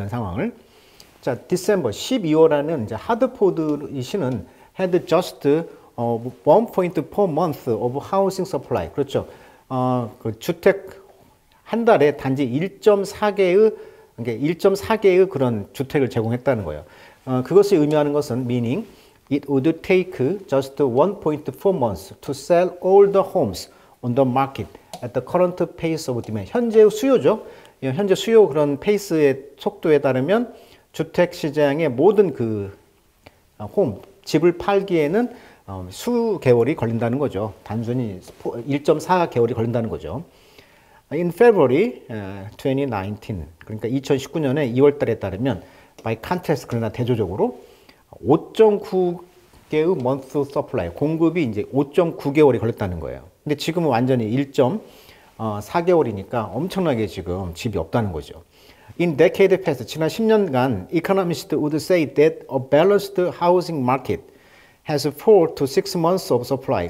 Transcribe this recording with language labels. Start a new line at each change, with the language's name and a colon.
Korean: 이런 상황을. 자, 디셈버 12월에는 이제 하드포드 씨는
English: had just 1.4 months of housing supply.
Korean: 그렇죠. 그 주택 한 달에 단지 1.4개의 그런 주택을 제공했다는 거예요. 그것을 의미하는 것은
English: meaning it would take just 1.4 months to sell all the homes on the market at the current pace of demand.
Korean: 현재 수요죠. 현재 수요 그런 페이스의 속도에 따르면 주택 시장의 모든 그 홈, 집을 팔기에는 수개월이 걸린다는 거죠. 단순히 1.4개월이 걸린다는 거죠.
English: In February 2019,
Korean: 그러니까 2019년에 2월 달에 따르면 by contrast, 그러나 대조적으로 5.9개의 month supply, 공급이 이제 5.9개월이 걸렸다는 거예요. 근데 지금은 완전히 1.4개월이니까 엄청나게 지금 집이 없다는 거죠.
English: In decade past,
Korean: 지난 10년간
English: economists would say that a balanced housing market has 4 to 6 months of supply.